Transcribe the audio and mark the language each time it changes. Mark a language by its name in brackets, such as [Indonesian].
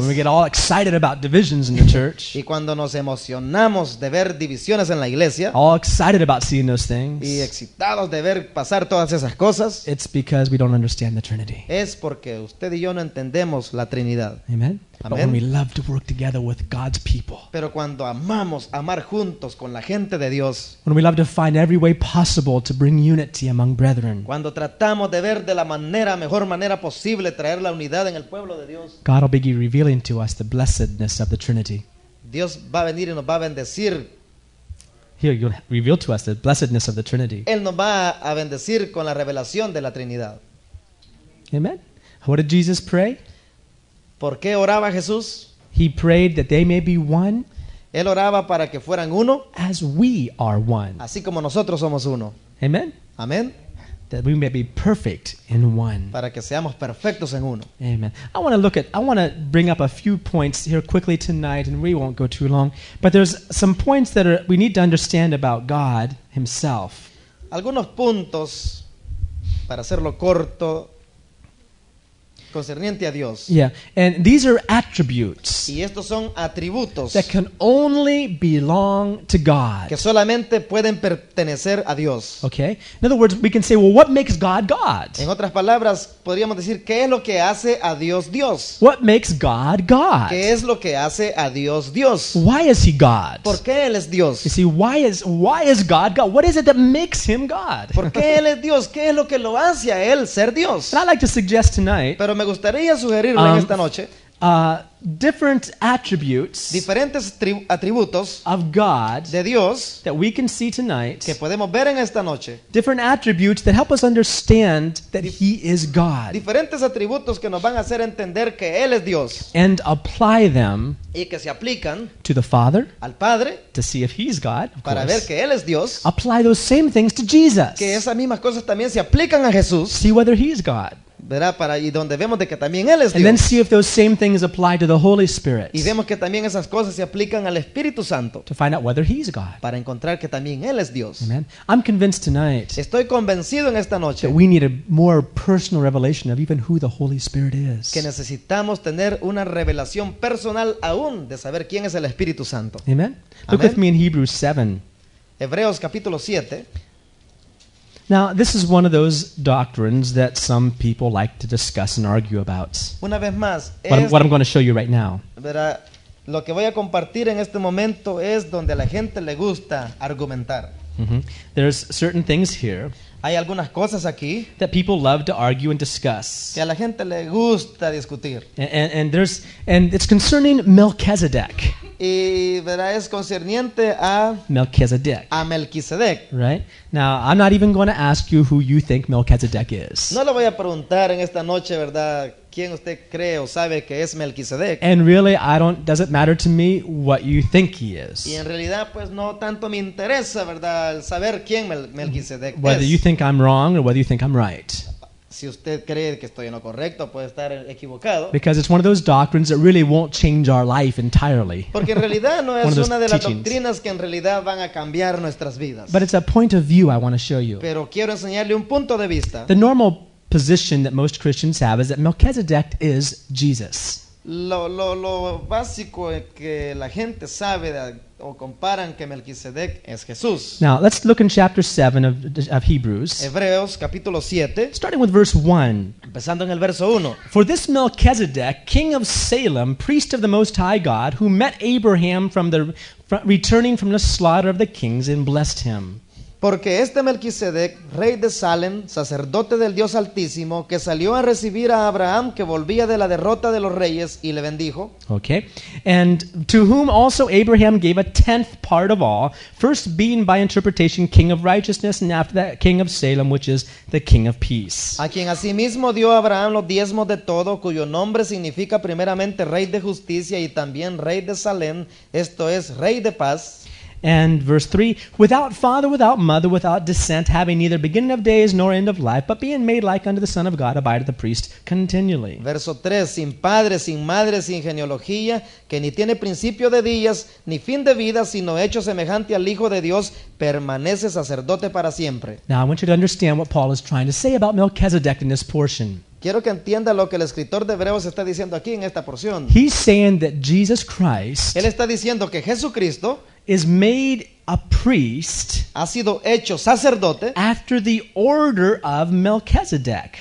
[English] when we get all excited about divisions in the church, [Spanish] y cuando nos emocionamos de ver divisiones en la iglesia, [English] all excited about seeing those things, [Spanish] y excitados de ver pasar todas esas cosas, [English] it's because we don't understand the Trinity. [Spanish] Es porque usted y yo no entendemos la Trinidad. [English] Amen. But when we love to work together with God's people, [Spanish] pero cuando amamos amar juntos con la gente de Dios, [English] when we love to find every way possible to bring unity among brethren, [Spanish] cuando tratamos de ver de la manera, mejor manera posible traer la unidad en el pueblo de Dios. [English] God will be revealing to us the blessedness of the Trinity. [Spanish] Dios va a venir y nos va a bendecir. [English] He'll reveal to us the blessedness of the Trinity. [Spanish] Él nos va a bendecir con la revelación de la Trinidad. [English] Amen. What did Jesus pray? [Spanish] ¿Por qué oraba Jesús? [English] He prayed that they may be one. [Spanish] Él oraba para que fueran uno. [English] As we are one. [Spanish] Así como nosotros somos uno. [English] Amen. Amen. That we may be perfect in one. [Spanish] Para que seamos perfectos en uno. [English] Amen. I want to bring up a few points here quickly tonight, and we won't go too long. But there's some points that are, we need to understand about God Himself. [Spanish] Algunos puntos para hacerlo corto. Concerniente a Dios. [English] Yeah, and these are attributes. [Spanish] Y estos son atributos [English] that can only belong to God. [Spanish] Que solamente pueden pertenecer a Dios. [English] Okay. In other words, we can say, well, what makes God God? [Spanish] En otras palabras, podríamos decir, ¿qué es lo que hace a Dios Dios? [English] What makes God God? [Spanish] ¿Qué es lo que hace a Dios Dios? [English] Why is He God? [Spanish] ¿Por qué Él es Dios? [English] You see, why is God God? What is it that makes Him God? [Spanish] ¿Por qué Él es Dios? ¿Qué es lo que lo hace a Él ser Dios? [English] And I'd like to suggest tonight. [Spanish] Pero me gustaría sugerirle en esta noche [English] different attributes, [Spanish] diferentes atributos [English] of God, [Spanish] de Dios, [English] that we can see tonight, [Spanish] que podemos ver en esta noche, [English] different attributes that help us understand that He is God, [Spanish] diferentes atributos que nos van a hacer entender que Él es Dios, [English] and apply them, [Spanish] y que se aplican, [English] to the Father, [Spanish] al Padre, [English] to see if He's God, of [Spanish] para [English] course, [Spanish] ver que Él es Dios, [English] apply those same things to Jesus, [Spanish] que esas mismas cosas también se aplican a Jesús, [English] see whether He is God. [Spanish] ¿Verdad? Para y donde vemos de que también Él es Dios. [English] And then see if those same things apply to the Holy Spirit. [Spanish] Y vemos que también esas cosas se aplican al Espíritu Santo. [English] To find out whether He's God. [Spanish] Para encontrar que también Él es Dios. [English] Amen. I'm convinced tonight. [Spanish] Estoy convencido en esta noche. [English] That we need a more personal revelation of even who the Holy Spirit is. [Spanish] Que necesitamos tener una revelación personal aún de saber quién es el Espíritu Santo. [English] Amen. Look with me in Hebrews 7. [Spanish] Hebreos capítulo 7. [English] Now, this is one of those doctrines that some people like to discuss and argue about. [Spanish] Una vez más, [English] what I'm going to show you right now. [Spanish] ¿Verdad? Lo que voy a compartir en este momento es donde a la gente le gusta argumentar. Mm-hmm. [English] There's certain things here. [Spanish] Hay algunas cosas aquí [English] that people love to argue and discuss. [Spanish] Que a la gente le gusta discutir. [English] And it's concerning Melchizedek. [Spanish] Y verá, es concerniente a Melchizedek. A Melchizedek. [English] Right? Now, I'm not even going to ask you who you think Melchizedek is. [Spanish] No le voy a preguntar en esta noche, ¿verdad? ¿Quién usted cree o sabe que es Melchizedek? [English] And really, does it matter to me what you think he is? [Spanish] Y en realidad, pues no tanto me interesa, ¿verdad? El saber quién Melchizedek es. [English] Whether you think I'm wrong or whether you think I'm right. [Spanish] Si usted cree que estoy en lo correcto, puede estar equivocado. [English] Because it's one of those doctrines that really won't change our life entirely. [Spanish] Porque en realidad no es una de las doctrinas que en realidad van a cambiar nuestras vidas. [English] But it's a point of view I want to show you. [Spanish] Pero quiero enseñarle un punto de vista. [English] The normal position that most Christians have is that Melchizedek is Jesus. [Spanish] Lo básico que la gente sabe o comparan que Melquisedec es Jesús. [English] Now, let's look in chapter 7 of Hebrews. [Spanish] Hebreos, capítulo 7. [English] Starting with verse 1. [Spanish] Empezando en el verso 1. [English] For this Melchizedek, king of Salem, priest of the Most High God, who met Abraham returning from the slaughter of the kings and blessed him. [Spanish] Porque este Melquisedec, rey de Salem, sacerdote del Dios Altísimo, que salió a recibir a Abraham, que volvía de la derrota de los reyes, y le bendijo. [English] Okay. And to whom also Abraham gave a tenth part of all, first being by interpretation king of righteousness, and after that king of Salem, which is the king of peace. [Spanish] A quien asimismo dio a Abraham los diezmos de todo, cuyo nombre significa primeramente rey de justicia y también rey de Salem, esto es rey de paz. [English] And verse 3, without father, without mother, without descent, having neither beginning of days nor end of life, but being made like unto the Son of God, abideth the priest continually. [Spanish] Verso 3, sin padre, sin madre, sin genealogía, que ni tiene principio de días, ni fin de vida, sino hecho semejante al Hijo de Dios, permanece sacerdote para siempre. [English] Now I want you to understand what Paul is trying to say about Melchizedek in this portion. [Spanish] Quiero que entienda lo que el escritor de Hebreos está diciendo aquí en esta porción. [English] He's saying that Jesus Christ, [Spanish] él está diciendo que Jesucristo, [English] is made a priest, [Spanish] ha sido hecho sacerdote, [English] after the order of Melchizedek.